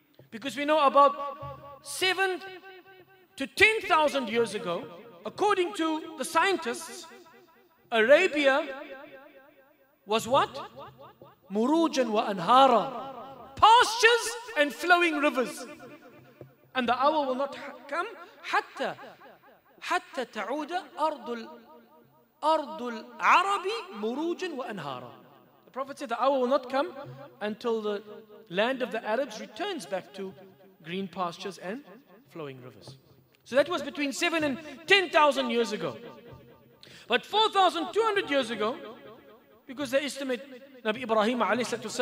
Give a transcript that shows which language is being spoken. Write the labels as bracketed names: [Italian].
[English] Because we know about 7 to 10,000 years ago, according to the scientists, Arabia was what? [Arabic] Murujan wa anhara. [English] pastures and flowing rivers. And the hour will not come. [Arabic] حتى تعود أرض العرب مروجا وأنهارا. [English] The Prophet said, the hour will not come until the land of the Arabs returns back to green pastures and flowing rivers. So that was between 7 and 10,000 years ago. But 4,200 years ago, because they estimate Nabi Ibrahim a.s.